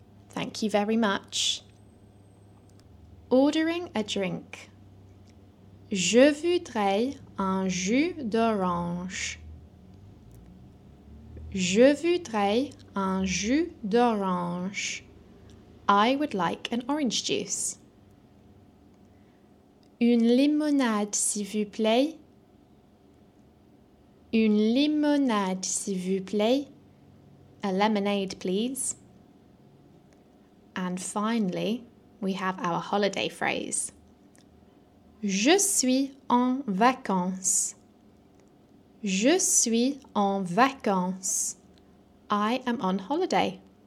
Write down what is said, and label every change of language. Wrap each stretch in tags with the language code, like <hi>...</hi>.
<en>Thank you very much. Ordering a drink.</en> <fr>Je voudrais un jus d'orange. Je voudrais un jus d'orange.</fr> <en>I would like an orange juice.</en> <fr>Une limonade, s'il vous plaît. Une limonade, s'il vous plaît.</fr> <en>A lemonade, please. And finally, we have our holiday phrase.</en> <fr>Je suis en vacances. Je suis en vacances.</fr> <en>I am on holiday.</en>